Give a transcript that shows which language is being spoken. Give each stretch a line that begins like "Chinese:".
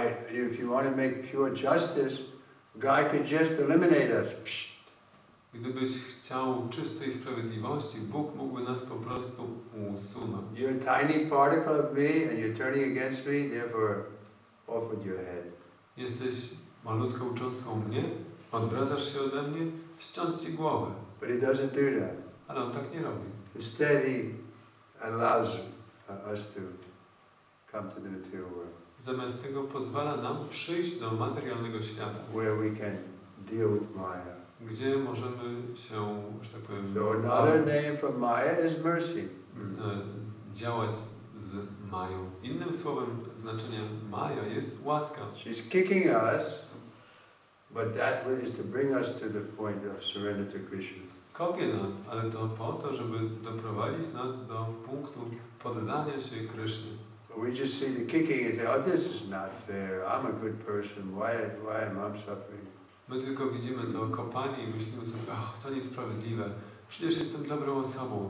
English: If you want to make pure justice, God could just eliminate us. Psh.
Polish: Gdybyś chciał czystej sprawiedliwości, Bóg mógłby nas po prostu usunąć.
English: You're a tiny particle of me and you're turning against me, therefore offered your head.
Polish: Jesteś malutką cząstką mnie, odwracasz się ode mnie, ściąć ci głowę.
English: But he doesn't do that.
Polish: Ale on tak nie robi.
English: Instead he allows us to come to the material world.
Polish: Zamiast tego pozwala nam przyjść do materialnego świata.
English: Where we can deal with Maya.
Polish: Gdzie możemy się, że tak powiem,
English: so another name for Maya is mercy.
Polish: Działać z Mają. Innym słowem znaczeniem Maya jest łaska.
English: She's kicking us, but that is to bring us to the point of surrender to Krishna.
Polish: Kopie nas, ale to po to, żeby doprowadzić nas do punktu poddania się Krishna.
English: We just see the kicking and say, oh, this is not fair. I'm a good person. Why am I suffering?
Polish: My tylko widzimy to kopanie i myślimy sobie, oh, to niesprawiedliwe. Przecież jestem dobrą osobą.